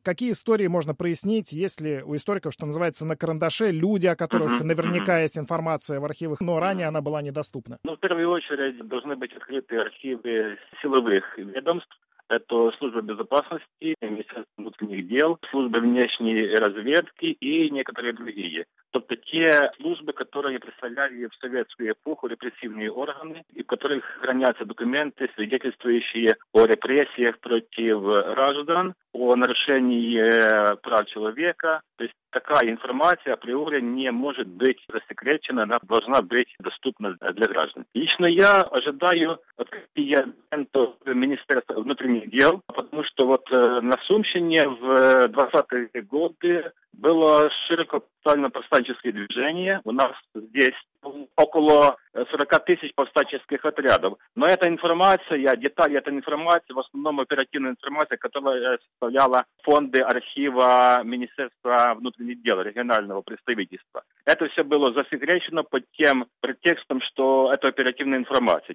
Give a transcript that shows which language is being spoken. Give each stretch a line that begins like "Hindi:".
Russian: Какие истории можно прояснить, если у историков, что называется, на карандаше люди, о которых наверняка есть информация в архивах, но ранее она была недоступна? Ну, в первую очередь должны быть открыты архивы силовых ведомств. Это служба безопасности, Министерство внутренних дел, служба внешней разведки и некоторые другие.
Ukrainian: Тобто те служби, які представляли в совєтську епоху репресивні органи, і в яких храняться документи, свідчаючи про репресії проти граждан, про нарушення прав чоловіка. Тобто така інформація апріорі не може бути засекречена, вона повинна бути доступна для граждан. Лично я чекаю відкриття документів Міністерства внутрішніх справ, тому що на Сумщині в 20-ті роки
Russian: было широко повстанческое движение. У нас здесь около 40 тысяч повстанческих отрядов. Но эта информация, детали этой информации, в основном оперативная информация, которая составляла фонды архива Министерства внутренних дел, регионального представительства. Это все было засекречено под тем претекстом, что это оперативная информация.